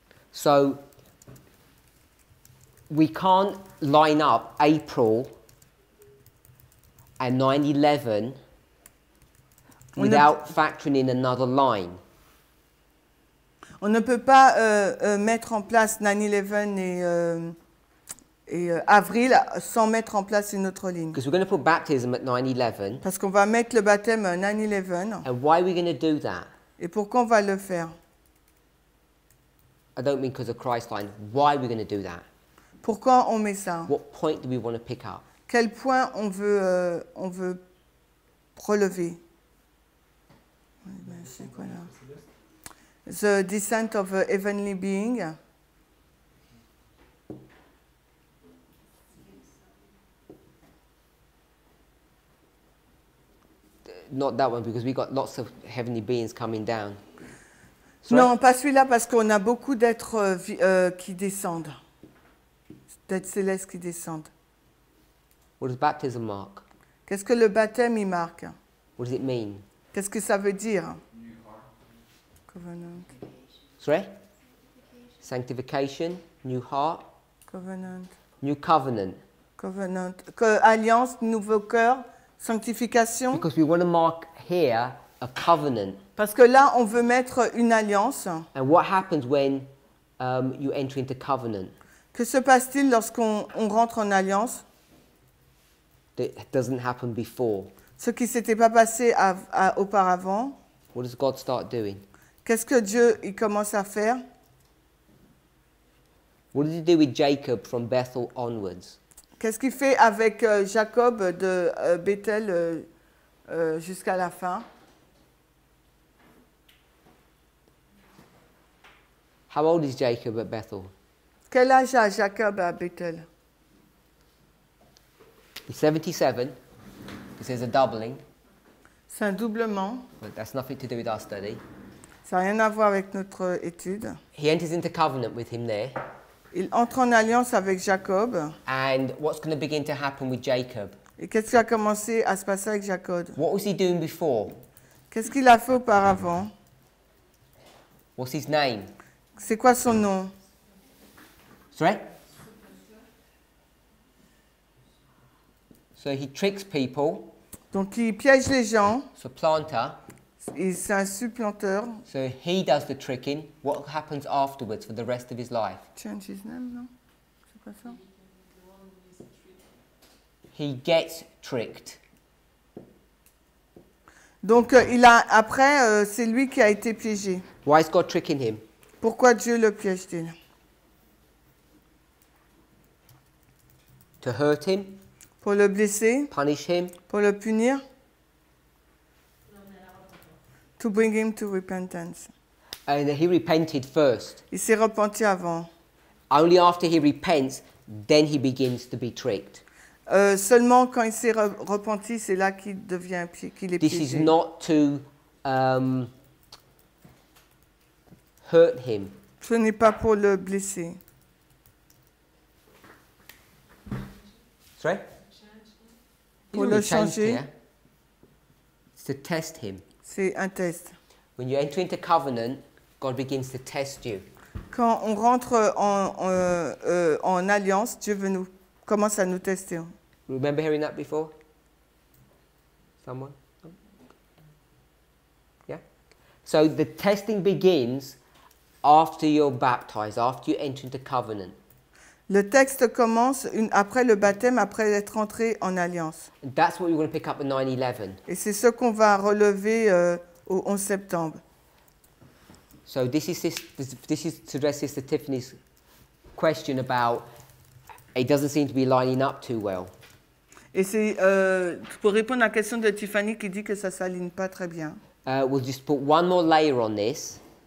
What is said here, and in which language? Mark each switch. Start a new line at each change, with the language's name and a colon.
English: So we can't line up April and 9/11 without factoring in another line.
French: On ne peut pas mettre en place 9/11 et avril, sans mettre en place une autre ligne.
English: Because we're going to put baptism at 9/11.
French: Parce qu'on va mettre le baptême à 9/11.
English: And why are we going to do that?
French: Et pourquoi on va le faire?
English: I don't mean because of Christ's line. Why are we going to do that?
French: Pourquoi on met ça?
English: What point do we want to pick up?
French: Quel point on veut relever? C'est quoi là?
English: The descent of a heavenly being. Not that one, because we got lots of heavenly beings coming down. Sorry?
French: Non, pas celui-là, parce qu'on a beaucoup d'êtres qui descendent. D'êtres célestes qui descendent.
English: What does baptism mark?
French: Qu'est-ce que le baptême y marque?
English: What does it mean?
French: Qu'est-ce que ça veut dire?
English: Covenant. Sorry? Sanctification, new heart. Covenant. New covenant.
French: Covenant. Alliance, nouveau cœur. Sanctification.
English: Because we want to mark here a covenant.
French: Parce que là, on veut mettre une alliance.
English: And what happens when you enter into covenant?
French: Que se passe-t-il lorsqu'on rentre en alliance?
English: That doesn't happen before.
French: Ce qui s'était pas passé auparavant.
English: What does God start doing?
French: Qu'est-ce que Dieu il commence à faire?
English: What does he do with Jacob from Bethel onwards?
French: Qu'est-ce qu'il fait avec Jacob de Bethel jusqu'à la fin?
English: How old is Jacob at Bethel?
French: Quel âge a Jacob à Bethel?
English: He's 77. This is a doubling.
French: C'est un doublement.
English: But that's nothing to do with our study.
French: Ça n'a rien à voir avec notre étude.
English: He enters into covenant with him there.
French: Il entre en alliance avec Jacob.
English: And what's going to begin to happen with Jacob?
French: Et qu'est-ce qui a commencé à se passer avec Jacob?
English: What was he doing before?
French: Qu'est-ce qu'il a fait auparavant?
English: What's his name?
French: C'est quoi son nom?
English: Sorry? So he tricks people.
French: Donc il piège les gens.
English: So planter.
French: C'est un supplanteur.
English: So he does the tricking. What happens afterwards for the rest of his life? Change his name,
French: non? C'est quoi ça?
English: He gets tricked.
French: Donc il a après c'est lui qui a été piégé.
English: Why is God tricking him?
French: Pourquoi Dieu le piège-t-il?
English: To hurt him?
French: Pour le blesser?
English: Punish him?
French: Pour le punir?
English: To bring him to repentance. And he repented first.
French: Il s'est repenti avant.
English: Only after he repents, then he begins to be tricked.
French: Seulement quand il s'est repenti, c'est là qu'il devient qu'il est piégé.
English: This is not to hurt him.
French: Ce n'est pas pour le blesser.
English: Sorry?
French: Pour le changer.
English: It's to test him.
French: C'est un test.
English: When you enter into covenant, God begins to test you.
French: Quand on rentre en alliance, Dieu veut nous commence à nous tester.
English: Remember hearing that before? Someone? Yeah. So the testing begins after you're baptized, after you enter into covenant.
French: Le texte commence après le baptême, après être entré en alliance.
English: That's what we're going to pick up at 9/11.
French: Et c'est ce qu'on va relever au 11 septembre.
English: So this is to address Sister Tiffany's question about it doesn't seem to be lining up too well.
French: Et c'est pour répondre à la question de Tiffany qui dit que ça s'aligne pas très bien.
English: We'll just put one more layer on this.